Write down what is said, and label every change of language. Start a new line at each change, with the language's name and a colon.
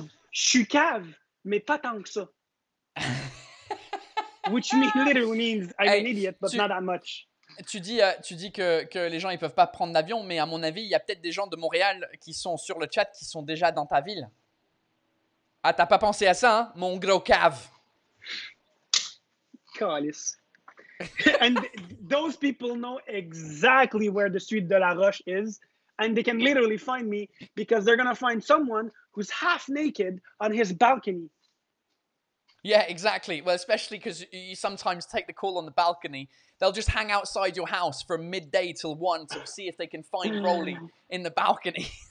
French: Je suis cave, mais pas tant que ça.
English: Which literally means I'm an idiot, but not that much.
French: Tu dis que les gens ils peuvent pas prendre l'avion, mais à mon avis, il y a peut-être des gens de Montréal qui sont sur le chat qui sont déjà dans ta ville. Ah, t'as pas pensé à ça, hein, mon gros cave. Calis.
English: And those people know exactly where the street de la Roche is, and they can literally find me because they're gonna find someone who's half naked on his balcony. Yeah, exactly. Well, especially because you sometimes take the call on the balcony. They'll just hang outside your house from midday till one to see if they can find Rolly in the balcony.